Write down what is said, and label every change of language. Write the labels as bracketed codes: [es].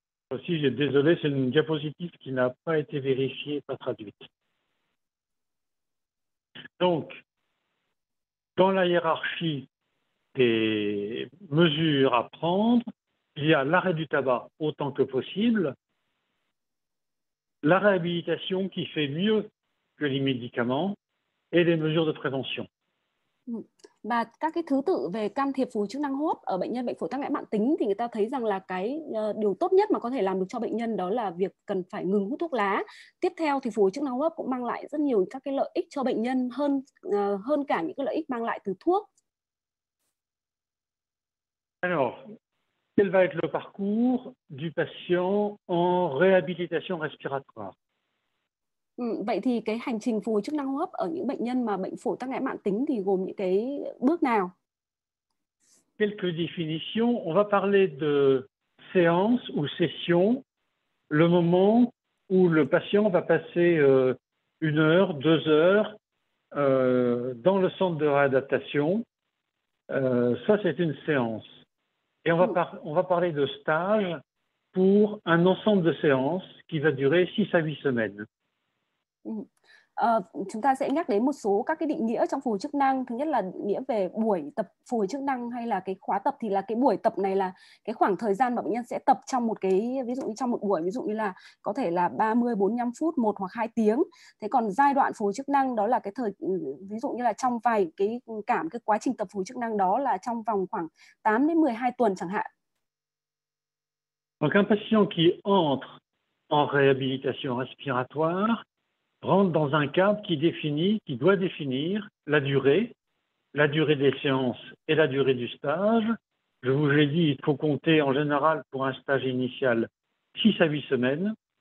[fr] Désolé, c'est une diapositive qui n'a pas été vérifiée, pas traduite. Donc, dans la hiérarchie des mesures à prendre, il y a l'arrêt du tabac autant que possible, la réhabilitation qui fait mieux que les médicaments et les mesures de prévention. [vi] Và các cái thứ tự về can thiệp phục hồi chức năng hô hấp ở bệnh nhân bệnh phổi tắc nghẽn mãn tính thì người ta thấy rằng là cái điều tốt nhất mà có thể làm được cho bệnh nhân đó là việc cần phải ngừng hút thuốc lá. Tiếp theo thì phục hồi chức năng hô hấp cũng mang lại rất nhiều các cái lợi ích cho bệnh nhân hơn hơn cả những cái lợi ích mang lại từ thuốc. [fr] Alors, quel va être le parcours du patient en réhabilitation respiratoire? [vi] Vậy thì cái hành trình phục hồi chức năng hô hấp ở những bệnh nhân mà bệnh phổi tắc nghẽn mãn tính thì gồm những cái bước nào? [fr] Quelques définitions. On va parler de séance ou session, le moment où le patient va passer une heure, deux heures dans le centre de réadaptation. Ça, c'est une séance. Et on va parler de stage pour un ensemble de séances qui va durer 6 à 8 semaines. [vi] Chúng ta sẽ nhắc đến một số các cái định nghĩa trong phục hồi chức năng. Thứ nhất là nghĩa về buổi tập phục hồi chức năng hay là cái khóa tập, thì là cái buổi tập này là cái khoảng thời gian mà bệnh nhân sẽ tập trong một cái, ví dụ như trong một buổi, ví dụ như là có thể là 30-45 phút, 1 hoặc 2 tiếng. Thế còn giai đoạn phục hồi chức năng đó là cái thời, ví dụ như là trong vài cái cảm cái quá trình tập phục hồi chức năng đó là trong vòng khoảng 8-12 tuần chẳng hạn. [fr] Donc un patient qui entre en réhabilitation respiratoire rentre dans un cadre qui définit, qui doit définir la durée des séances et la durée du stage. Je vous ai dit, il faut compter en général pour un stage initial 6 à 8 semaines.